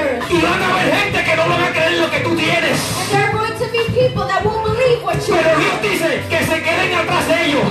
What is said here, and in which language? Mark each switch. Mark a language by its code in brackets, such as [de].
[es] Y van a haber gente que no van a creer lo que tú tienes. [en] And there are going to be people that won't believe what you [es] have. Pero Dios dice que se queden atrás de ellos.